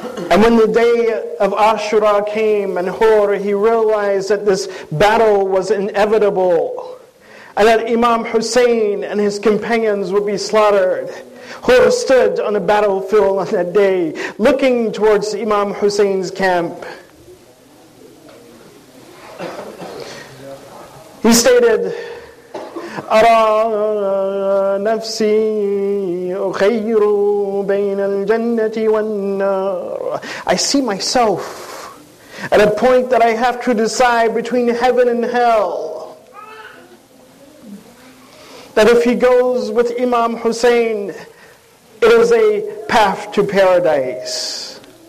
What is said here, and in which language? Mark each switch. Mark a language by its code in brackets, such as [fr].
[en] And when the day of Ashura came and Hur, he realized that this battle was inevitable and that Imam Hussein and his companions would be slaughtered. Hur stood on the battlefield on that day, looking towards Imam Hussein's camp. He stated, [ar] أرى نفسي أخير بين الجنة والنار. [en] I see myself at a point that I have to decide between heaven and hell. That if he goes with Imam Hussein, it is a path to paradise.